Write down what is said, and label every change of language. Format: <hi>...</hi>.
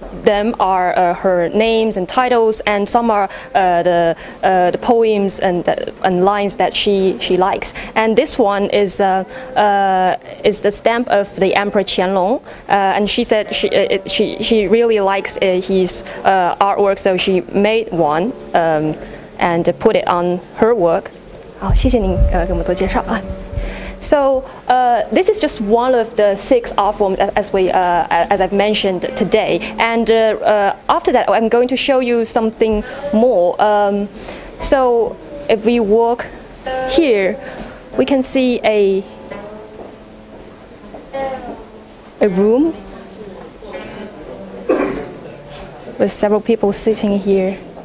<en>them are her names and titles, and some are the poems and lines that she likes. And this one is the stamp of the Emperor Qianlong, and she said she really likes his artwork, so she made one and put it on her work.</en> <zh>好，谢谢您给我们做介绍啊。</zh> <en>So this is just one of the six art forms as I've mentioned today. And after that, I'm going to show you something more. So if we walk here, we can see a room with several people sitting here.</en>